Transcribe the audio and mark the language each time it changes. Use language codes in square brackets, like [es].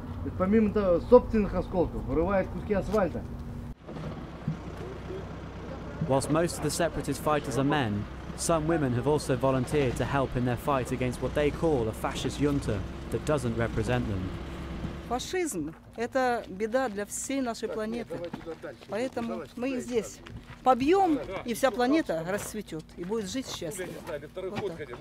[ru] Это помимо того, собственных осколков, вырывает куски асфальта. [en] Whilst most of the separatist fighters are men, some women have also volunteered to help in their fight against what they call a fascist junta that doesn't represent them. [ru] Фашизм – это беда для всей нашей планеты, поэтому мы их здесь побьем, и вся планета расцветет и будет жить счастливо, вот так.